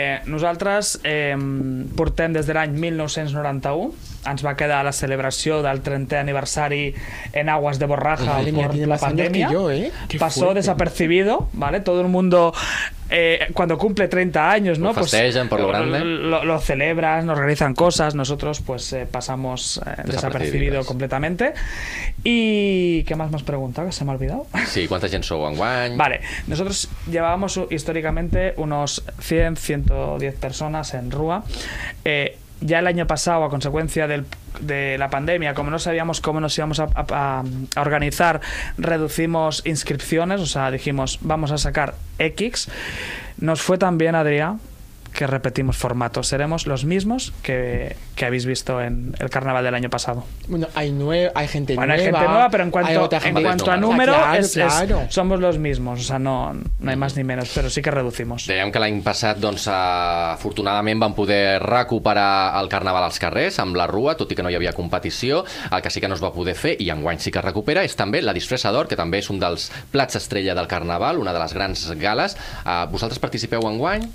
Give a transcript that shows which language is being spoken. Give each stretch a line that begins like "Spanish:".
Catalan: Nosaltres portem des de l'any 1991. Ens va quedar la celebració del 30è aniversari en
Spanish: aguas de borraja por
Catalan: la pandèmia.
Spanish: Passó desapercibido, ¿vale? Todo el mundo cuando cumple 30 años, ¿no? Lo festejan por lo grande. Lo celebran, nos realizan cosas, nosotros pues pasamos desapercibido completamente. ¿Y qué más me has preguntado? ¿Que se me ha olvidado? Sí, ¿cuánta gente
Catalan: sou en guany?
Spanish: Vale, nosotros llevábamos históricamente unos 100, 110 personas en rúa. Ya el año pasado, a consecuencia de la pandemia, como no sabíamos cómo nos íbamos a organizar, reducimos inscripciones, o sea, dijimos, vamos a sacar X. Nos fue tan bien, Adrià, que repetimos formato. Seremos los mismos que habéis visto en el carnaval del año pasado. Bueno, hay gente bueno, nueva. Bueno, hay gente nueva, pero en cuanto a número, claro. Somos los mismos. O sea, no hay más ni menos, pero sí que reducimos.
Catalan: Dèiem que l'any passat, doncs, afortunadament, vam poder recuperar el carnaval als carrers, amb la rua, tot i que no hi havia competició. El que sí que no es va poder fer, i enguany sí que es recupera, és també la disfressa d'or, que també és un dels plats estrella del carnaval, una de les grans gales. Vosaltres participeu enguany?